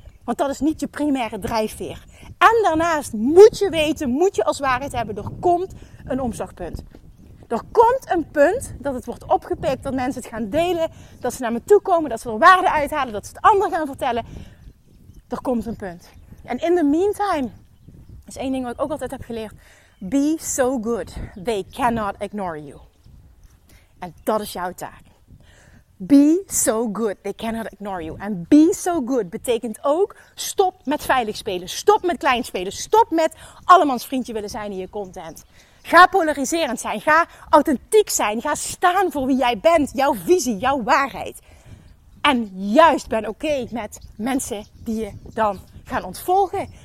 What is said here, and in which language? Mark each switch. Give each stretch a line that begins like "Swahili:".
Dutch: Want dat is niet je primaire drijfveer. En daarnaast moet je weten, moet je als waarheid hebben, er komt een omslagpunt. Er komt een punt dat het wordt opgepikt, dat mensen het gaan delen, dat ze naar me toe komen, dat ze er waarde uithalen, dat ze het ander gaan vertellen. Er komt een punt. En
English: in the meantime,
Dutch: is 1 ding wat ik ook altijd heb geleerd.
English: Be so good, they cannot ignore you.
Dutch: En dat is jouw taak.
English: Be so good, they cannot ignore you.
Dutch: En
English: be so good
Dutch: betekent ook stop met veilig spelen. Stop met klein spelen. Stop met allemans vriendje willen zijn in je content. Ga polariserend zijn. Ga authentiek zijn. Ga staan voor wie jij bent. Jouw visie, jouw waarheid. En juist ben oké met mensen die je dan gaan ontvolgen.